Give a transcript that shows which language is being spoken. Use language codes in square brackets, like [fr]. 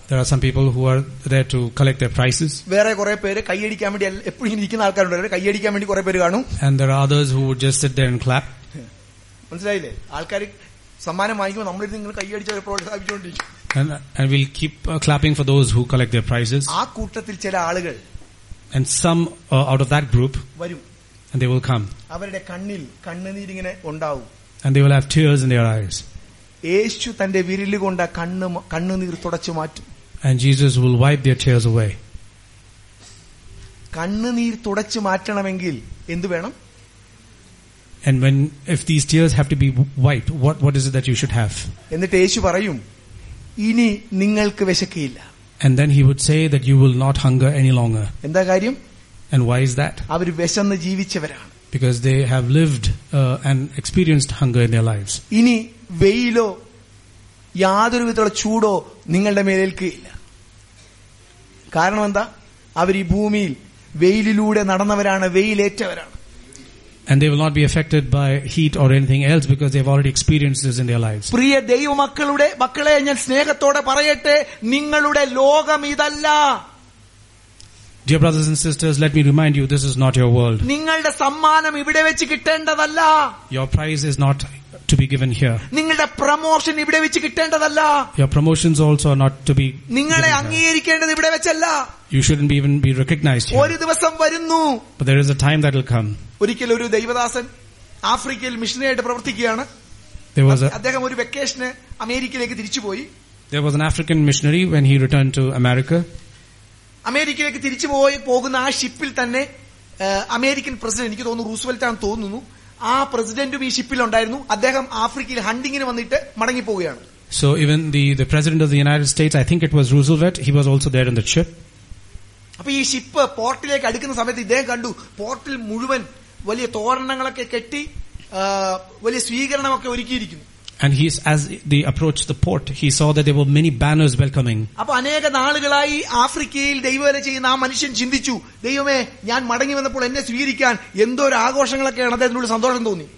[en] There are some people who are there to collect their prizes. [ml] വേറെ കുറെ പേര് കൈയടിക്കാൻ വേണ്ടി എപ്പോഴും ഇരിക്കുന്ന ആൾക്കാരുണ്ട്. അവരെ കൈയടിക്കാൻ വേണ്ടി കുറെ പേര് കാണും. [en] And there are others who would just sit there and clap. [ml] മനസ്സിലായില്ലേ? ആൾക്കാർ സമ്മാനം വാങ്ങിക്കുമ്പോൾ നമ്മൾ ഇരുന്ന് ഇങ്ങനെ കൈയടിച്ചവരെ പ്രോത്സാഹിപ്പിച്ചുകൊണ്ടിരിക്കും. [en] And we'll keep clapping for those who collect their prizes. [ml] ആ കൂട്ടത്തിൽ ചില ആളുകൾ, [en] and some out of that group, [ml] വരും. [en] And they will come. [ml] അവരുടെ കണ്ണിൽ കണ്ണുനീര് ഇങ്ങനെ ഉണ്ടാവും. [en] And they will have tears in their eyes. [ml] യേശു തന്റെ വിരല് കൊണ്ട് കണ്ണുനീർ തുടച്ചു മാറ്റും. [en] And Jesus will wipe their tears away. [ml] കണ്ണുനീർ തുടച്ചു മാറ്റണമെങ്കിൽ എന്ത് വേണം? [en] And when if these tears have to be wiped, what is it that you should have? [ml] എന്നിട്ട് യേശു പറയും, ഇനി നിങ്ങൾക്ക് വിശക്കില്ല. [en] And then he would say that you will not hunger any longer. [ml] എന്താ കാര്യം? [en] And why is that? [ml] അവര് വിശന്ന് ജീവിച്ചവരാണ്. [en] Because they have lived and experienced hunger in their lives. [ml] ഇനി വെയിലോ യാതൊരു വിധത്തിലുള്ള ചൂടോ നിങ്ങളുടെ മേലേൽക്കില്ല. കാരണം എന്താ? അവർ ഈ ഭൂമിയിൽ വെയിലിലൂടെ നടന്നവരാണ്, വെയിലേറ്റവരാണ്. [en] And they will not be affected by heat or anything else because they have already experienced this in their lives. [ml] പ്രിയ ദൈവമക്കളുടെ മക്കളെ, ഞാൻ സ്നേഹത്തോടെ പറയട്ടെ, നിങ്ങളുടെ ലോകം ഇതല്ല. [en] Dear brothers and sisters, let me remind you, this is not your world. [ml] നിങ്ങളുടെ സമ്മാനം ഇവിടെ വെച്ച് കിട്ടേണ്ടതല്ല. [en] Your prize is not to be given here. [ml] നിങ്ങളുടെ പ്രമോഷൻ ഇവിടെ വെച്ച് കിട്ടേണ്ടതല്ല. [en] Your promotions also are not to be. [ml] നിങ്ങളെ അംഗീകരിക്കേണ്ടത് ഇവിടെ വെച്ചല്ല. [en] You shouldn't even be recognized here. [ml] ഒരു ദിവസം വരുന്നു. [en] But there is a time that will come. [ml] ഒരിക്കൽ ഒരു ദൈവദാസൻ ആഫ്രിക്കയിൽ മിഷനറിയായിട്ട് പ്രവർത്തിക്കുകയാണ്. അദ്ദേഹം ഒരു വെക്കേഷന് അമേരിക്കയിലേക്ക് തിരിച്ചു പോയി. [en] There was an African missionary when he returned to America. [ml] അമേരിക്കയിലേക്ക് തിരിച്ചു പോകുന്ന ആ ഷിപ്പിൽ തന്നെ അമേരിക്കൻ പ്രസിഡന്റ്, എനിക്ക് തോന്നുന്നു റൂസ്വെൽറ്റ് ആണെന്ന് തോന്നുന്നു, ആ പ്രസിഡന്റും ഈ ഷിപ്പിലുണ്ടായിരുന്നു. അദ്ദേഹം ആഫ്രിക്കയിൽ ഹണ്ടിങ്ങിന് വന്നിട്ട് മടങ്ങിപ്പോവുകയാണ്. [en] So even the president of the United States, I think it was Roosevelt, he was also there in the ship. [ml] അപ്പോൾ ഈ ഷിപ്പ് പോർട്ടിലേക്ക് അടുക്കുന്ന സമയത്ത് ഇദ്ദേഹം കണ്ടു, പോർട്ടിൽ മുഴുവൻ വലിയ തോരണങ്ങളൊക്കെ കെട്ടി വലിയ സ്വീകരണമൊക്കെ ഒരുക്കിയിരിക്കുന്നു. [en] And he, as they approached the port, he saw that there were many banners welcoming. [ml] അപ്പോൾ അനേക നാളുകളായി ആഫ്രിക്കയിൽ ദൈവവേല ചെയ്യുന്ന ആ മനുഷ്യൻ ചിന്തിച്ചു, ദൈവമേ, ഞാൻ മടങ്ങി വന്നപ്പോൾ എന്നെ സ്വീകരിക്കാൻ എന്തൊരു ആഘോഷങ്ങളൊക്കെയാണ്, അദ്ദേഹത്തിനുള്ള സന്തോഷം തോന്നി.